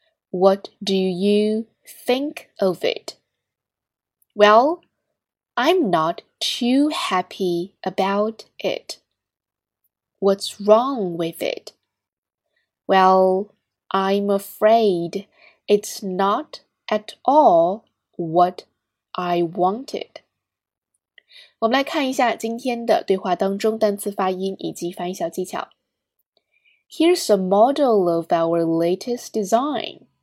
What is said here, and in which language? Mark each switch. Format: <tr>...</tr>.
<en>What do you think of it? Well, I'm not too happy about it. What's wrong with it? Well, I'm afraid it's not at all what I wanted.</en> <zh>我们来看一下今天的对话当中单词发音以及发音小技巧。</zh> <en>Here's a model of our latest design.</en>